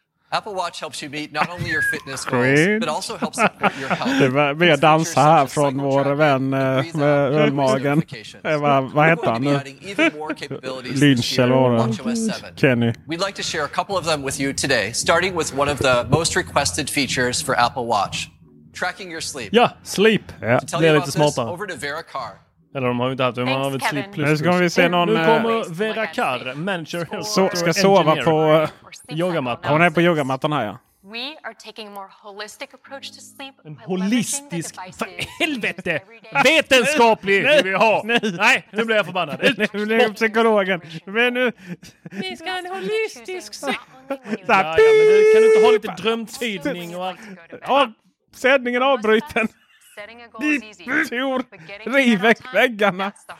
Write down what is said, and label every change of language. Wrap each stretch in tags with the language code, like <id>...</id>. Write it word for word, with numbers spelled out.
<en>Apple Watch helps you meet not only your fitness goals, but also helps support your health.</en> <sv>Det var mer dansa här från vår vän med ölmagen. Vad heter han nu? Lynch eller vad Kenny.</sv> <en>We'd like to share a couple of them with you today, starting with one of the most requested features for Apple Watch. Tracking your sleep.</en> <sv>Ja, sleep. Ja.</sv> <en>So</en> <sv>det är lite smartare.</sv> <en>Over to Vera Carr.</en> <sv>Eller de har ju inte haft det. Man har väl sleep plus. Nu ska vi se någon... Nu kommer Vera Carr, manager. So, ska sova på yogamattan. Hon är på yogamattan här, ja.</sv> <en>We are taking a more holistic approach to sleep.</en> <sv>En holistisk... För helvete! Vetenskaplig vill vi ha! Nej, nu blir jag förbannad. Nu blir jag psykologen. Men nu... Vi ska ha en holistisk... Så ja, men kan du inte ha lite drömtydning och allt? Ja, sändningen avbruten. Tor, riv väck väggarna.</sv>